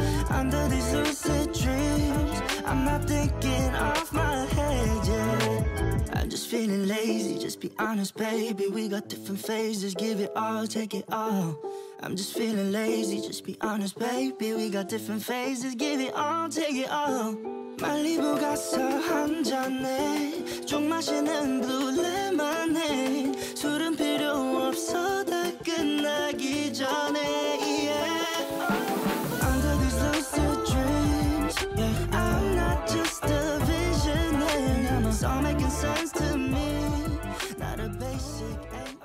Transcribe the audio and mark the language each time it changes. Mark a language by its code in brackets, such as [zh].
[en] Under these lucid dreams, I'm not thinking off my head, yeah. I'm just feeling lazy, just be honest, baby. We got different phases, give it all, take it all. I'm just feeling lazy, just be honest, baby. We got different phases, give it all, take it all. [ko] 말리부 가서 한 잔에 쭉 마시는 블루레마네. 술은 필요 없어 다 끝나기 전에, yeah. [en] Under these lucid dreams, yeah. I'm not just a visionary. It's all making sense to me. Not a basic.